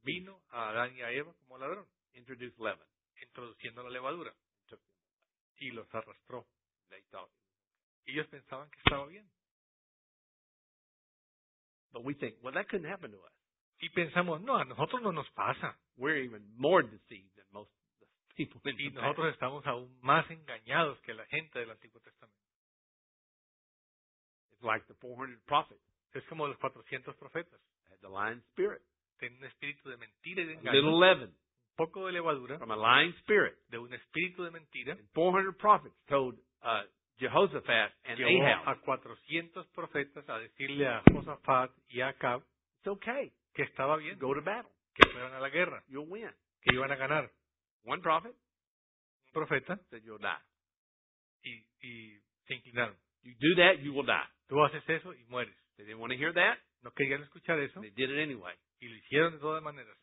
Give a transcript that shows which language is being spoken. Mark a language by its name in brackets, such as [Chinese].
[Spanish] Vino a Adán y a Eva como ladrón. [English] Introduced leaven. [Spanish] Introduciendo la levadura. [English] Took them. [Spanish] Y los arrastró. [English] They thought. [Spanish] Ellos pensaban que estaba bien. [English] But we think, well, that couldn't happen to us. [Spanish] Y pensamos, no, a nosotros no nos pasa. [English] We're even more deceived than most of the people in the past. [Spanish] Y nosotros estamos aún más engañados que la gente del Antiguo Testamento. [English] If like the 400 prophets. [Spanish] Es como los 400 profetas. [English] The lying spirit. [Spanish] Tiene un espíritu de mentira y de engaño. [English] A little leaven. [Spanish] Un poco de levadura. [English] From a lying spirit. [Spanish] De un espíritu de mentira. [English] And 400 prophets told Jehoshaphat and [Spanish] Llevó [English] Ahab. [Spanish] A 400 profetas a decirle a Josafat y a Acab. [English] It's okay. [Spanish] Que estaba bien. [English] Go to battle. [Spanish] Que fueran a la guerra. [English] You'll win. [Spanish] Que iban a ganar. [English] One prophet. [Spanish] Un profeta. [English] Said you'll die. [Spanish] Y se inclinaron. [English] You do that, you will die. [Spanish] Tú haces eso y mueres. [English] They didn't want to hear that. [Spanish] No querían escuchar eso. [English] They did it anyway. [Spanish] Y lo hicieron de todas maneras.